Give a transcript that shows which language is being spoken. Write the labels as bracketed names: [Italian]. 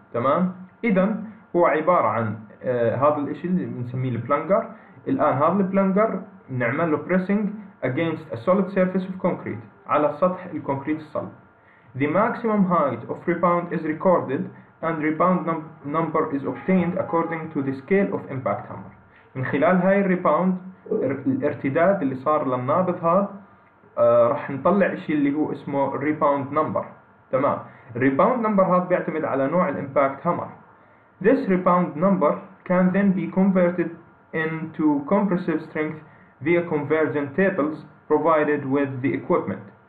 [Arabic] تمام؟ إذن هو عبارة عن هذا الإشي اللي بنسميه البلانجر. الآن هذا البلانجر نعمل له [English] pressing against a solid surface of concrete، [Arabic] على سطح الكونكريت الصلب. [English] The maximum height of rebound is recorded and rebound number is obtained according to the scale of impact hammer. [Arabic] من خلال هاي الريباوند، الارتداد اللي صار للنابض هذا، رح نطلع اشي اللي هو اسمه rebound number. تمام. rebound number هذا بيعتمد على نوع الامباكت هامر. [English] This rebound number can then be converted into compressive strength via convergent tables provided with the equipment.